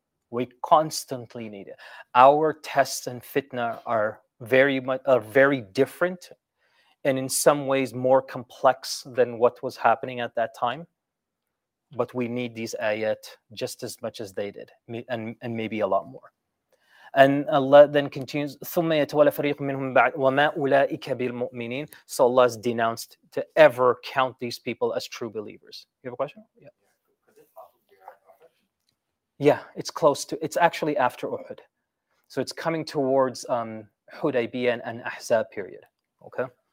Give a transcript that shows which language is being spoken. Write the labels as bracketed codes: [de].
[en] We constantly need it. Our tests and fitna are very much very different, and in some ways more complex than what was happening at that time. But we need these ayat just as much as they did, and maybe a lot more. And Allah then continues, [ar] ثُمَّ يَتَوَلَّ فَرِيقٌ مِّنْهُمْ بَعْدَ وَمَا أُولَٰئِكَ بِالْمُؤْمِنِينَ. [en] So Allah is denounced to ever count these people as true believers. You have a question? Yeah. Yeah, it's close to, it's actually after Uhud. So it's coming towards Hudaybiyah and Ahzab period. Okay.